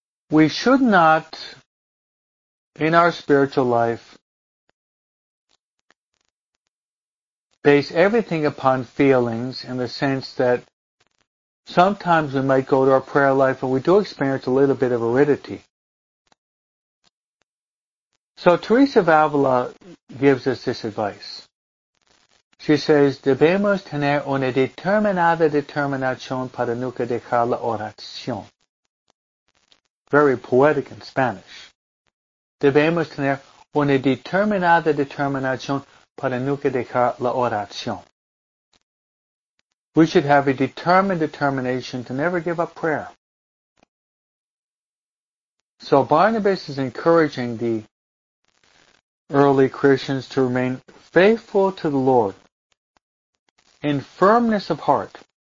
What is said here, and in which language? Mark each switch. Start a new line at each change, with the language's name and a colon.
English: We should not, in our spiritual life, base everything upon feelings, in the sense that sometimes we might go to our prayer life and we do experience a little bit of aridity. So Teresa of Avila gives us this advice. She says,
Spanish: debemos tener una determinada determinación para nunca dejar la oración.
English: Very poetic in Spanish.
Spanish: Debemos tener una determinada determinación para nunca dejar la oración.
English: We should have a determined determination to never give up prayer. So Barnabas is encouraging the early Christians to remain faithful to the Lord in firmness of heart.